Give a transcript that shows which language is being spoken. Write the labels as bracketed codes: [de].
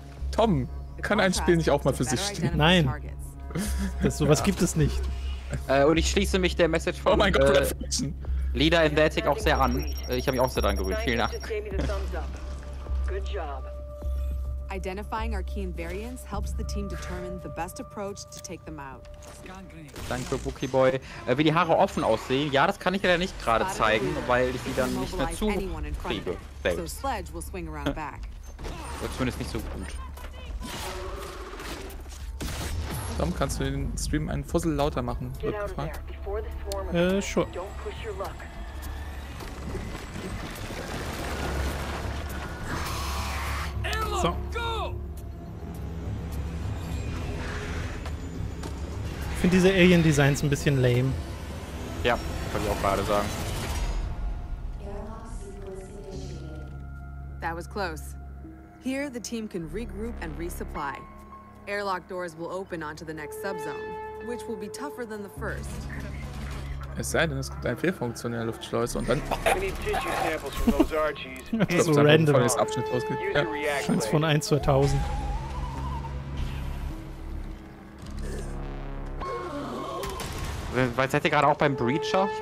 [de] Tom, kann ein Spiel nicht auch mal für sich stehen? Nein. Sowas gibt es nicht. Und ich schließe mich der Message von Leader in Vatic auch sehr an. Ich habe mich auch sehr dran gewöhnt. Vielen Dank. [en] Identifying Archean variants helps the team determine the best approach to take them out. [de] Danke, Wookie Boy. Wie die Haare offen aussehen? Ja, das kann ich leider nicht gerade zeigen, weil ich die dann nicht mehr zu kriege. Selbst. Zumindest nicht so gut. Tom, kannst du den Stream einen Fussel lauter machen? Wird gefragt. [en] Sure. So. [de] Ich finde diese Alien-Designs ein bisschen lame. Ja, kann ich auch gerade sagen. [en] That was close. Here the team can regroup and resupply. Airlock doors will open onto the next subzone, which will be tougher than the first. [de] Es sei denn, es gibt eine Fehlfunktion in der Luftschleuse und dann. Das ist so random. Das Abschnitt ausgeht. Ja. Chance von 1 zu 1000. Weil seid ihr gerade auch beim Breacher?